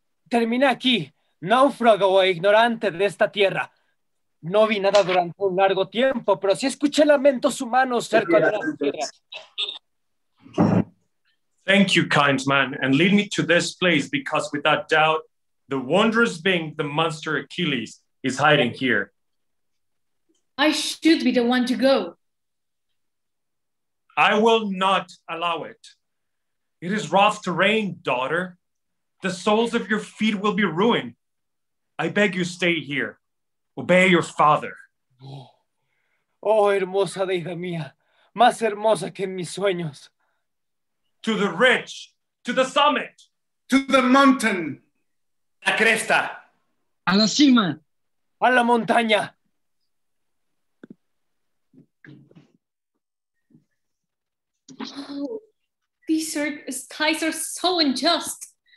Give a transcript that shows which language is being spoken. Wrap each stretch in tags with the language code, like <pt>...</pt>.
<es>Termina aquí, náufrago e ignorante de esta tierra. No vi nada durante un largo tiempo, pero sí escuché lamentos humanos cerca de la tierra.</es> <en>Thank you, kind man, and lead me to this place, because without doubt, the wondrous being, the monster Achilles, is hiding here. I should be the one to go. I will not allow it. It is rough terrain, daughter. The soles of your feet will be ruined. I beg you, stay here. Obey your father.</en> <es>Oh, hermosa Deidamia, más hermosa que en mis sueños.</es> <en>To the ridge, to the summit, to the mountain.</en> <es>La cresta. A la cima. A la montaña.</es> <en>Oh, these skies are so unjust.</en>